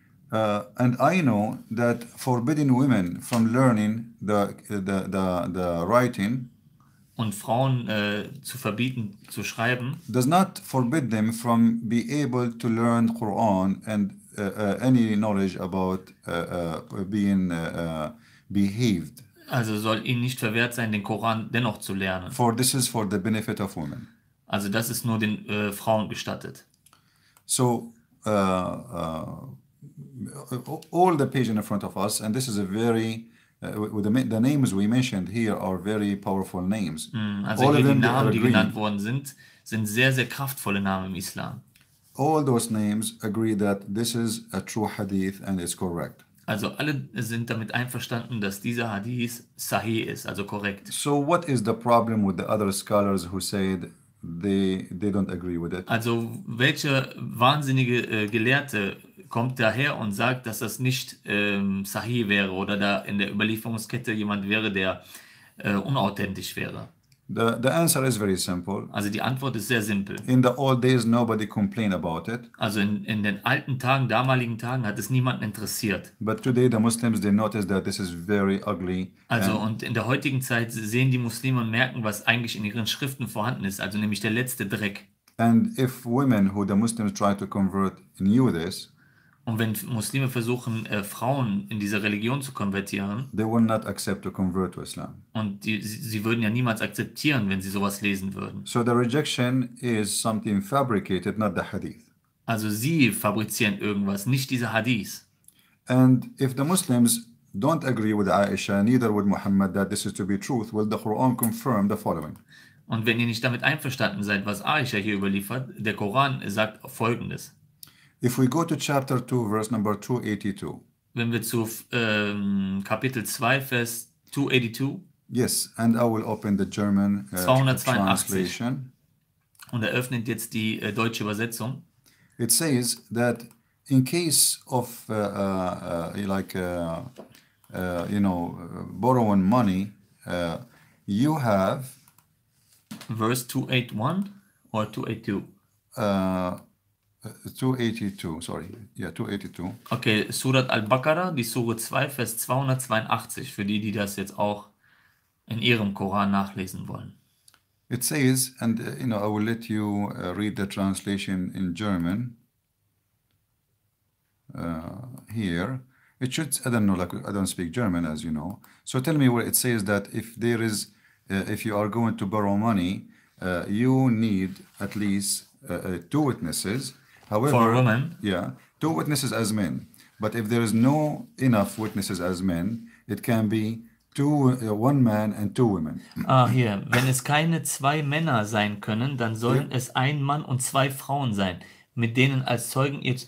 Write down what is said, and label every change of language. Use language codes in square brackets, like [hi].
[en] And I know that forbidding women from learning the writing. [de] Und Frauen zu verbieten, zu schreiben. [en] Does not forbid them from be able to learn Quran and any knowledge about being behaved. [de] Also soll ihnen nicht verwehrt sein, den Koran dennoch zu lernen. [en] For this is for the benefit of women. [de] Also das ist nur den Frauen gestattet. [en] So, all the pages in front of us, and this is a very... with the names we mentioned here are very powerful names. [de] Also [en] all of them, [de] die Namen, die genannt worden sind, sind sehr, sehr kraftvolle Namen im Islam. [en] All those names agree that this is a true hadith and it's correct. [de] Also alle sind damit einverstanden, dass dieser Hadith sahih ist, also korrekt. [en] So what is the problem with the other scholars who said they don't agree with it? [de] Also welche wahnsinnige Gelehrte kommt daher und sagt, dass das nicht sahih wäre oder da in der Überlieferungskette jemand wäre, der unauthentisch wäre? [en] The answer is very simple. [de] Also die Antwort ist sehr simpel. [en] In the old days nobody complained about it. [de] Also in den alten Tagen, damaligen Tagen hat es niemanden interessiert. [en] But today the Muslims they notice that this is very ugly. [de] Also und in der heutigen Zeit sehen die Muslime und merken, was eigentlich in ihren Schriften vorhanden ist, also nämlich der letzte Dreck. [en] And if women who the Muslims try to convert knew this. [de] Und wenn Muslime versuchen, Frauen in diese Religion zu konvertieren, [en] they will not accept to convert to Islam. [de] Und sie würden ja niemals akzeptieren, wenn sie sowas lesen würden. [en] So the rejection is something fabricated, not the hadith. [de] Also sie fabrizieren irgendwas, nicht diese Hadith. [en] And if the Muslims don't agree with Aisha, neither with Muhammad, that this is to be truth, will the Quran confirm the following? [de] Und wenn ihr nicht damit einverstanden seid, was Aisha hier überliefert, der Koran sagt Folgendes. [en] If we go to chapter 2, verse number 282. [de] Wenn wir zu Kapitel 2, Vers 282. [en] Yes, and I will open the German 282. Translation. [de] Und eröffnet jetzt die deutsche Übersetzung. [en] It says that in case of borrowing money, you have... Verse 281 or 282? 282, sorry. Yeah, 282. [de] Okay, Surat Al-Baqarah, die Sure 2, Vers 282, für die, die das jetzt auch in ihrem Koran nachlesen wollen. [en] It says, and you know, I will let you read the translation in German. Here. It should, I don't know, like, I don't speak German, as you know. So tell me where it says that if there is, if you are going to borrow money, you need at least two witnesses. However, for a woman. Yeah, two witnesses as men. But if there is no enough witnesses as men, It can be one man and two women. [de] Ah, hier. Wenn es keine zwei Männer sein können, dann sollen es ein Mann und zwei Frauen sein, mit denen als Zeugen ihr...